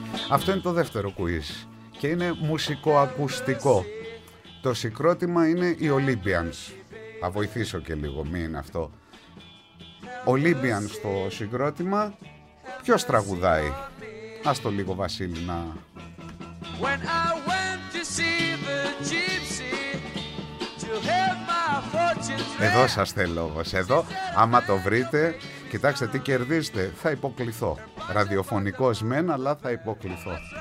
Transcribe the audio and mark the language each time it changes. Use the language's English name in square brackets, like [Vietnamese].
[Greek] Αυτό είναι το δεύτερο quiz και είναι μουσικο-ακουστικό. Το συγκρότημα είναι οι Olympians. Θα βοηθήσω και λίγο, μην είναι αυτό. Olympians το συγκρότημα. Ποιος τραγουδάει? Ας το λίγο, Βασίλη, να... [English] When I went to see the gypsy, to have my fortune. [Greek] Εδώ σας θέλω, όπως εδώ, άμα το βρείτε... Κοιτάξτε τι κερδίζετε, θα υποκληθώ. Ραδιοφωνικός μεν, αλλά θα υποκληθώ.